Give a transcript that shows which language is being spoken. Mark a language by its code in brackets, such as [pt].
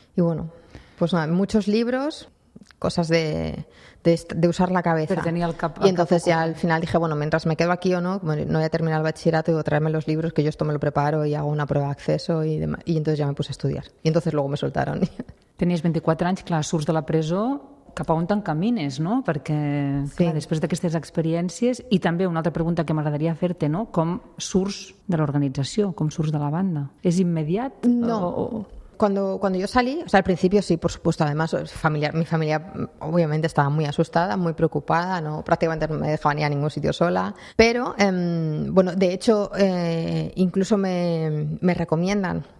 [es] Y bueno, pues nada, muchos libros, cosas de usar la cabeza. Pero tenía el cap. Y entonces ya al final dije, bueno, mientras me quedo aquí o no, no voy a terminar el bachillerato, digo, tráeme los libros, que yo esto me lo preparo y hago una prueba de acceso y demás. Y entonces ya me puse a estudiar. Y entonces luego me soltaron. [ca] Tenías 24 anys, clar, surts de la presó. Cap a on t'encamines, no? Perquè clar, sí. Després d'aquestes experiències... I també una altra pregunta que m'agradaria fer-te, no? Com surts de l'organització? Com surts de la banda? És immediat? [es] No. Cuando yo salí, o sea, al principio sí, por supuesto, además mi familia obviamente estaba muy asustada, muy preocupada, no, prácticamente no me dejaban ir a ningún sitio sola, pero bueno, de hecho, incluso me recomiendan.